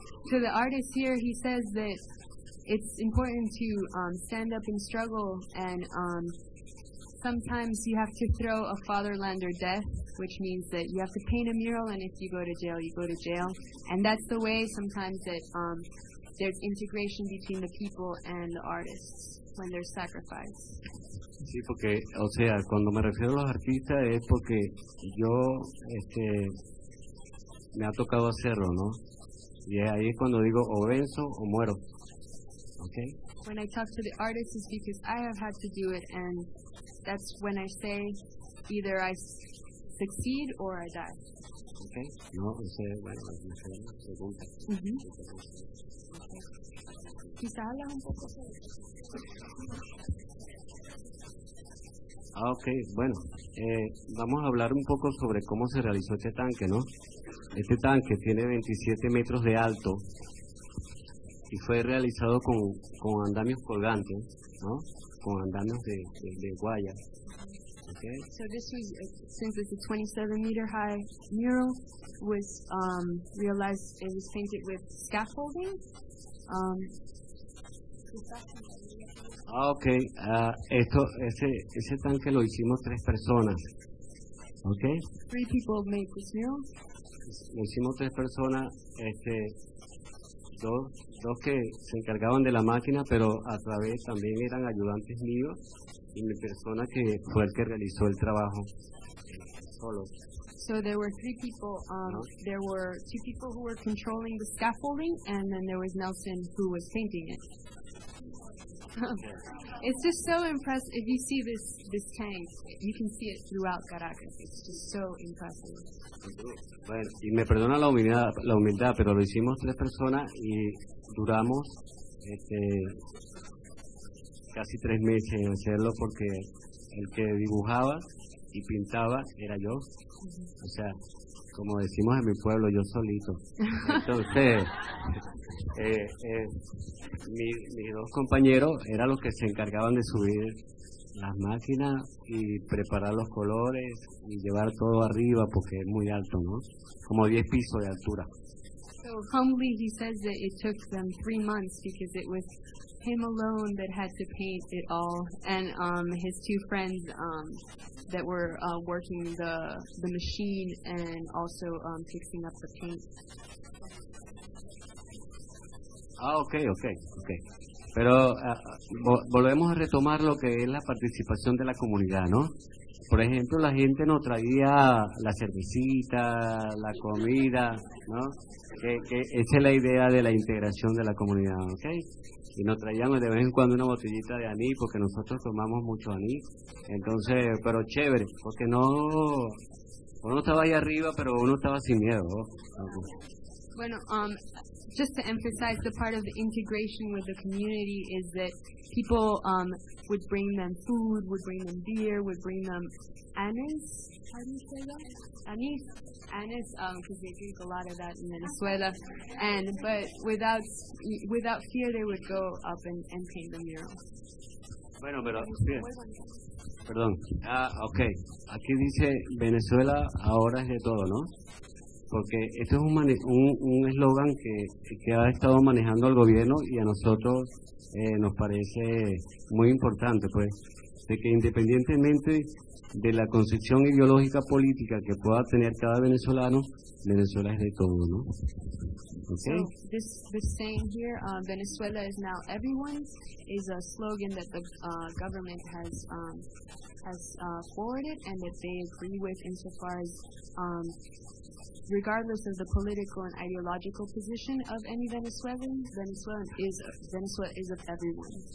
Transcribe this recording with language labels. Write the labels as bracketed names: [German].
[English] To the artist here, he says that it's important to stand up and struggle, and sometimes you have to throw a fatherland or death, which means that you have to paint a mural, and if you go to jail, you go to jail. And that's the way sometimes that there's integration between the people and the artists when there's sacrifice. [Spanish] Sí, porque, o sea, cuando me refiero a los artistas es porque yo, me ha tocado hacerlo, ¿no? Y ahí es cuando digo, o venzo o muero, ¿okay? [English] When I talk to the artists, it's because I have had to do it, and that's when I say, either I succeed or I die. [Spanish] Okay. No, usted, bueno, la pregunta. Mm-hmm. Okay. Quizá un poco. Okay. Bueno, vamos a hablar un poco sobre cómo se realizó este tanque, ¿no? Este tanque tiene 27 metros de alto y fue realizado con andamios colgantes, ¿no? Con andamios de guayas. Okay. [English] So this was, since it's a 27-meter-high mural, was realized, it was painted with scaffolding. [Spanish] Okay, ese tanque lo hicimos tres personas, okay? [English] Three people made this mural. [Spanish] Lo hicimos tres personas, dos que se encargaban de la máquina, pero a través también eran ayudantes míos. Y mi persona que fue el que realizó el trabajo solo. [English] So there were three people. There were two people who were controlling the scaffolding, and then there was Nelson who was painting it. It's just so impressive. If you see this tank, you can see it throughout Caracas. It's just so impressive. [Spanish] Bueno, y me perdona la humildad, pero lo hicimos tres personas y duramos casi tres meses en hacerlo, porque el que dibujaba y pintaba era yo. Uh-huh. O sea, como decimos en mi pueblo, yo solito. Entonces, mis dos compañeros eran los que se encargaban de subir las máquinas y preparar los colores y llevar todo arriba porque es muy alto, ¿no? Como 10 pisos de altura. [English] So humbly he says that it took them 3 months because it was him alone that had to paint it all, and his two friends that were working the machine and also fixing up the paint. Ah, okay. [Spanish] Pero volvemos a retomar lo que es la participación de la comunidad, ¿no? Por ejemplo, la gente nos traía la cervecita, la comida, ¿no? Que esa es la idea de la integración de la comunidad, ¿ok? Y nos traíamos de vez en cuando una botellita de anís, porque nosotros tomamos mucho anís. Entonces, pero chévere, porque no... Uno estaba ahí arriba, pero uno estaba sin miedo, ¿no? [English] Bueno, just to emphasize, the part of the integration with the community is that people would bring them food, would bring them beer, would bring them anise, because they drink a lot of that in Venezuela, but without fear they would go up and paint the mural. [Spanish] Bueno, pero bien. Perdón. Ah, okay. Aquí dice Venezuela ahora es de todo, ¿no? Porque este es un eslogan que ha estado manejando el gobierno y a nosotros nos parece muy importante, pues, de que independientemente de la concepción ideológica política que pueda tener cada venezolano, Venezuela es de todo, ¿no? Okay. [English] So this saying here, Venezuela is now everyone, is a slogan that the government has forwarded and that they agree with insofar as regardless of the political and ideological position of any Venezuelan, Venezuela is of everyone.